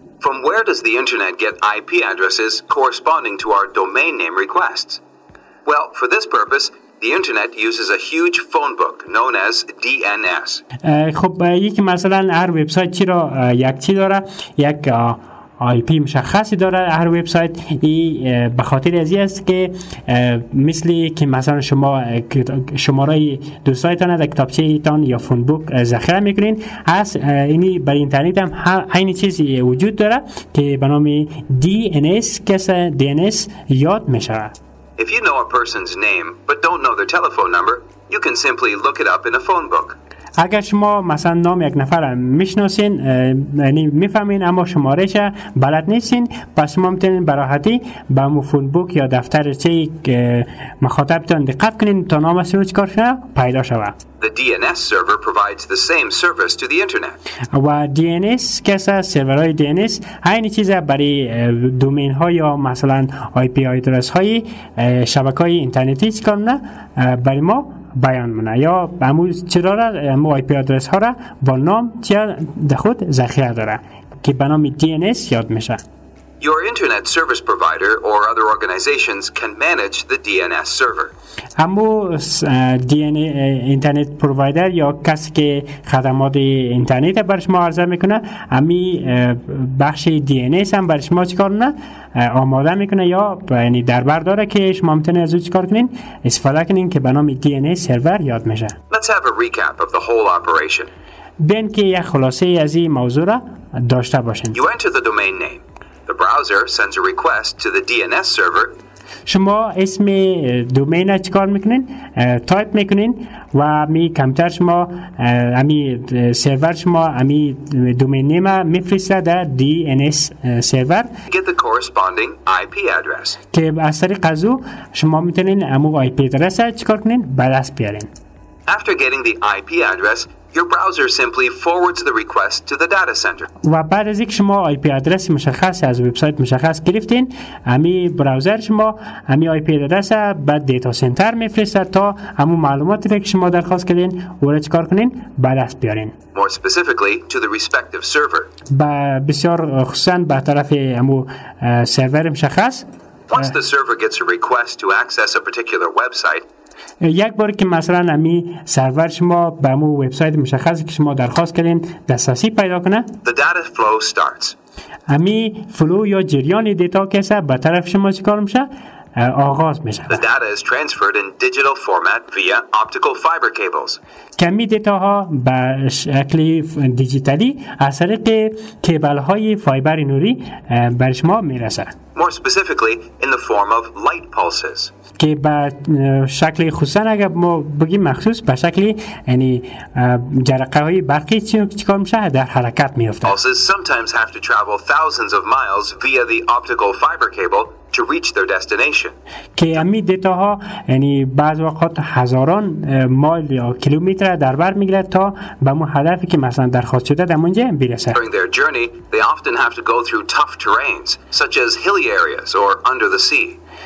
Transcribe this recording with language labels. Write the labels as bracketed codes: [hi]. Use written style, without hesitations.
[en] From where does the internet get IP addresses corresponding to our domain name requests? Well, for this purpose, the internet uses a huge phone book known as DNS. [fa] خب یکی مثلا هر وبسایت چرا یک چی داره یک آی پی مشخصی داره هر وبسایت ای به خاطر از این است که مثل که مثلا شما شماره دوستایتان در کتابچه ایتان یا فون بوک ذخیره میکنین از اینی بر اینترنت هم عین چیزی وجود داره که به نام DNS کس DNS یاد میشه. [en] If you know a person's name but don't know their telephone number, you can simply look it up in a phone book. [fa] اگر شما مثلا نام یک نفر میشناسین یعنی میفهمین اما شمارش بلد نیستین پس شما میتونین به راحتی به مو فون بوک یا دفترچه مخاطبتون دقت کنین تا نامش رو چیکار شده پیدا شوه. [en] The DNS server provides the same service to the internet. [fa] و DNS کسا سرورهای DNS عین چیز برای دومین ها یا مثلا آی پی آدرس های شبکه های اینترنتی چیکار نه برای ما بیان مونه یا امو چرا را امو آی پی آدرس ها را با نام چیا در خود ذخیره داره که به نام DNS یاد میشه. [en] Your internet service provider or other organizations can manage the DNS server. [fa] امو DNS اینترنت پرووایدر یا کسی که خدمات اینترنت بر شما عرضه میکنه امی بخش DNS هم بر شما چیکار کنه آماده میکنه یا یعنی دربر داره که شما میتونه از او چیکار کنین استفاده کنین که به نام DNS سرور یاد میشه. [en] Let's have a recap of the whole operation. [fa] بین که یک خلاصه از این موضوع را داشته باشین. [en] You enter the domain name. The browser sends a request to the DNS server. [fa] شما اسم دومین چیکار میکنین؟ تایپ میکنین و می کامپیوتر شما امی سرور شما امی دومین نیم میفرسته در DNS سرور. [en] Get the corresponding IP address. [fa] که از طریق ازو شما میتونین امو IP آدرس چیکار کنین؟ به دست بیارین. [en] After getting the IP address, your browser simply forwards the request to the data center. [fa] و بعد از اینکه شما IP آدرس مشخص از وبسایت مشخص گرفتین، امی براوزر شما امی IP آدرس به دیتا سنتر میفرسته تا امو معلوماتی که شما درخواست کردین، اون رو چیکار کنین؟ به دست بیارین. [en] More specifically to the respective server. [fa] بسیار خصوصاً به طرف امو سرور مشخص. [en] Once the server gets a request to access a particular website, [fa] یک بار که مثلا امی سرور شما به امو وبسایت مشخصی که شما درخواست کردین دسترسی پیدا کنه [en] The data flow starts. [fa] امی فلو یا جریان دیتا کسه به طرف شما چیکار میشه آغاز میشه [en] The data is transferred in digital format via optical fiber cables. [fa] کمی دیتا ها به شکل دیجیتالی از طریق کیبل های فایبر نوری بر شما میرسه [en] More specifically in the form of light pulses. [fa] که به شکل خصوصا اگر ما بگیم مخصوص به شکل یعنی جرقه های برقی چیکار میشه در حرکت میفته [en] pulses sometimes have to travel thousands of miles via the optical fiber cable to reach their destination. [fa] که امی دیتا ها یعنی بعض وقت هزاران مایل یا کیلومتر در بر میگیره تا به اون هدفی که مثلا درخواست شده در اونجا برسه [en] during their journey they often have to go through tough terrains such as hilly areas or under the sea.